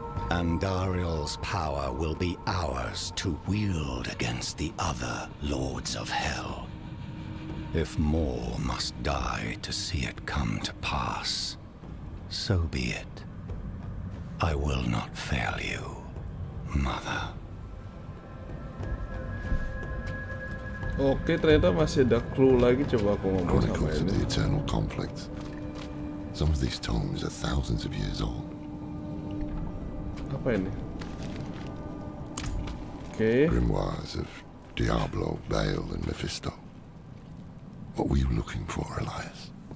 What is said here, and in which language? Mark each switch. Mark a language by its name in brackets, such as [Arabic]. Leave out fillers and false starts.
[English] Andariel's power will be ours to wield against the other lords of hell. If more must die to see it come to pass, so be it. I will not fail you, mother. [Indonesian] Okay, ternyata masih ada clue lagi. Coba aku ngomong sama ini. [English] Chronicles of the Eternal Conflict. Some of these tomes are thousands of years old. [Indonesian] Apa ini? [English] Okay. Grimoires of Diablo, Baal, and Mephisto. What were you looking for, Elias?